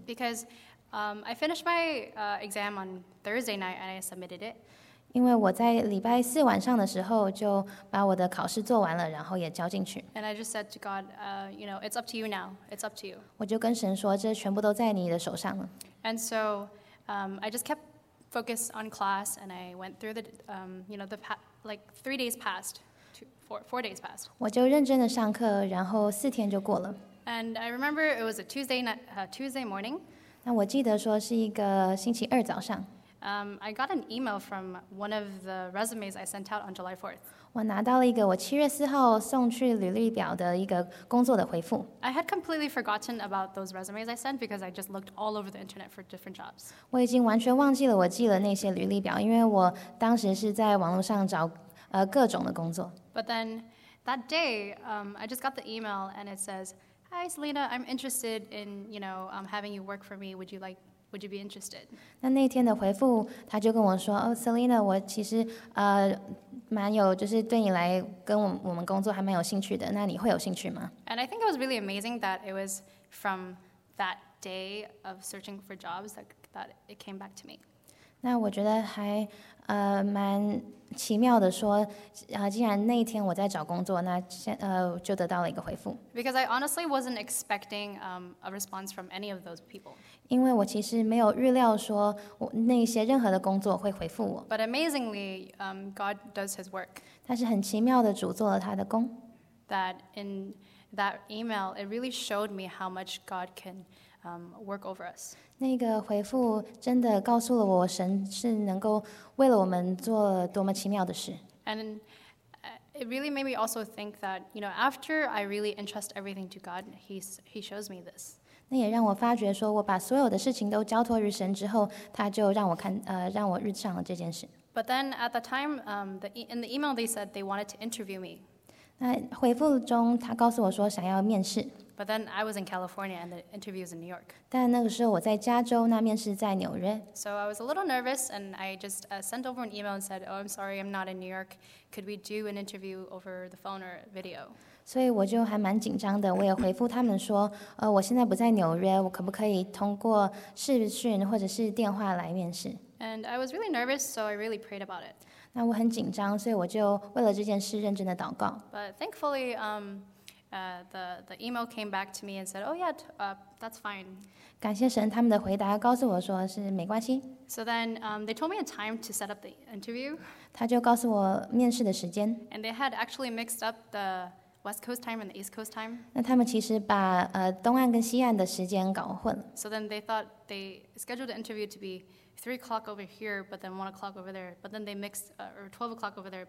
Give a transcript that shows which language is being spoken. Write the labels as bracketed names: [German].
[English] Because I finished my exam on Thursday night and I submitted it. [Chinese] 因为我在礼拜四晚上的时候就把我的考试做完了，然后也交进去。 [English] And I just said to God, you know, it's up to you now. It's up to you. [Chinese] 我就跟神说，这全部都在你的手上了。 [English] And so I just kept focus on class and I went through the, you know, the like 3 days passed, four days passed. [Chinese] 我就认真的上课，然后四天就过了。 [English] And I remember it was a Tuesday, Tuesday morning. [Chinese] 那我记得说是一个星期二早上。 [English] I got an email from one of the resumes I sent out on July 4th. [Chinese] 我拿到了一个我7月4号送去履历表的一个工作的回复。 [English] I had completely forgotten about those resumes I sent because I just looked all over the internet for different jobs. [Chinese] 我已经完全忘记了我寄了那些履历表，因为我当时是在网络上找各种的工作。 [English] But then that day, I just got the email and it says, "Hi, Selena, I'm interested in, you know, having you work for me. Would you be interested?" [Chinese] 那天的回复，他就跟我说，哦，Selena，我其实蛮有，就是对你来跟我们工作还蛮有兴趣的。那你会有兴趣吗？ [English] And I think it was really amazing that it was from that day of searching for jobs that it came back to me. [Chinese] 那我觉得还蛮奇妙的说，既然那天我在找工作，那就得到了一个回复。 [English] Because I honestly wasn't expecting a response from any of those people. [Chinese] 因为我其实没有预料说那些任何的工作会回复我。 [English] But amazingly, God does His work. [Chinese] 但是很奇妙的，主做了他的工。 [English] That in that email, it really showed me how much God can work over us. [Chinese] 那个回复真的告诉了我，神是能够为了我们做多么奇妙的事。 [English] And it really made me also think that, you know, after I really entrust everything to God, He shows me this. [Chinese] 那也让我发觉说，我把所有的事情都交托于神之后，他就让我看，让我遇上了这件事。 [English] But then at the time, in the email they said they wanted to interview me. [Chinese] 那回复中他告诉我说想要面试。 [English] But then I was in California and the interview was in New York. [Chinese] 但那个时候我在加州，那面试在纽约。 [English] So I was a little nervous and I just sent over an email and said, "Oh, I'm sorry, I'm not in New York. Could we do an interview over the phone or video?" [Chinese] 所以我就还蛮紧张的，我也回复他们说，我现在不在纽约，我可不可以通过视讯或者是电话来面试？ [English] And I was really nervous, so I really prayed about it. [Chinese] 那我很紧张，所以我就为了这件事认真的祷告。 [English] But thankfully, the email came back to me and said, "Oh yeah, that's fine." [Chinese] 感谢神，他们的回答告诉我说是没关系。 [English] So then, they told me a time to set up the interview. [Chinese] 他就告诉我面试的时间。 [English] And they had actually mixed up the West Coast time and the East Coast time. [Chinese] 那他们其实把东岸跟西岸的时间搞混了。 [English] So then they thought they scheduled the interview to be 3 o'clock over here, but then 1 o'clock over there. But then they mixed, or 12 o'clock over there.